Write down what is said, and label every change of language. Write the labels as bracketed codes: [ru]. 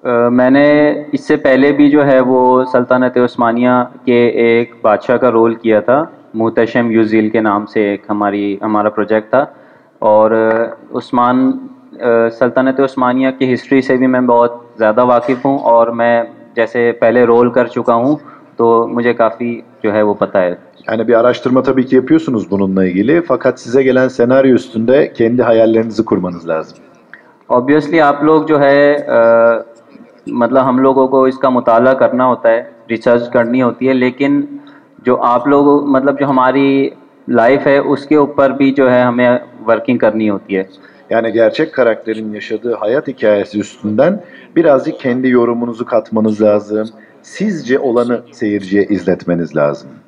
[hi] Mene isse pehle bhi jo hai wo Sultanate Osmaniya ke ek badshah ka role kiya tha Muhteşem Yüzyıl ke naam se ek hamara project tha aur Osman Sultanate Osmaniya ki history se bhi main bahut zyada waqif hu aur main जैसे पहले role कर चुका हूं तो मुझे काफी जो है वो पता है [tr] yani bir araştırma tabii ki yapıyorsunuz bununla ilgili fakat size gelen senaryo üstünde kendi hayallerinizi kurmanız lazım [hi] obviously आप लोग जो है मतलब हम लोगों को इसका मुताला करना होता है रिसर्च करनी होती है लेकिन जो आप लोग मतलब जो हमारी लाइफ है उसके ऊपर भी जो है हमें वर्किंग करनी होती है [tr] Yani gerçek karakterin yaşadığı hayat hikayesi üstünden birazcık kendi yorumunuzu katmanız lazım. Sizce olanı seyirciye izletmeniz lazım.